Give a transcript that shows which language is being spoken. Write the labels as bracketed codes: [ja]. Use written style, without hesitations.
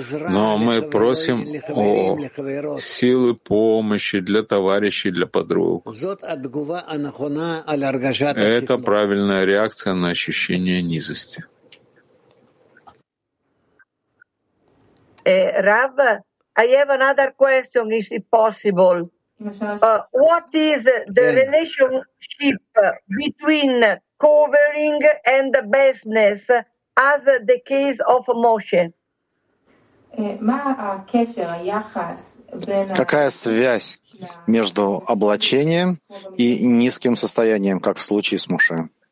[ru] Но мы просим о силы помощи для товарищей, для подруг. Это правильная реакция на ощущение низости. [en] Рав, I have another question, is it possible? What is the relationship between covering and the business as the case of Moshe? [ru] Какая связь между облачением и низким состоянием, как в случае с Моше?